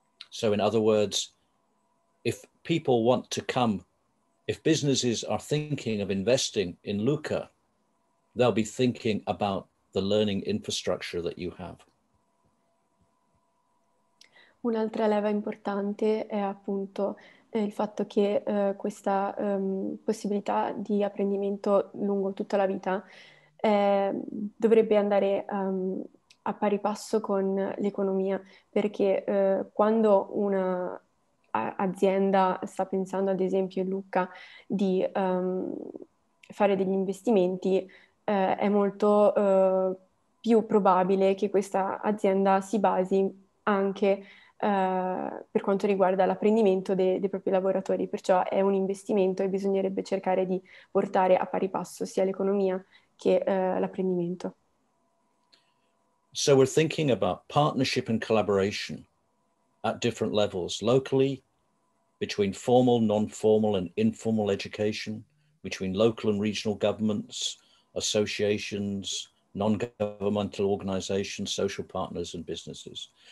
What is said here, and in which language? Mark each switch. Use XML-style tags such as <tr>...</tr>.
<en>So in other words, if businesses are thinking of investing in Lucca, they'll be thinking about the learning infrastructure that you have.</en> <it>Un'altra leva importante è appunto il fatto che questa possibilità di apprendimento lungo tutta la vita dovrebbe andare a pari passo con l'economia, perché quando un'azienda sta pensando, ad esempio in Lucca, di fare degli investimenti, è molto più probabile che questa azienda si basi anche per quanto riguarda l'apprendimento dei propri lavoratori. Perciò è un investimento e bisognerebbe cercare di portare a pari passo sia l'economia che l'apprendimento.</it> <en>So we're thinking about partnership and collaboration at different levels, locally, between formal, non-formal and informal education, between local and regional governments, associations, non-governmental organizations, social partners and businesses.</en>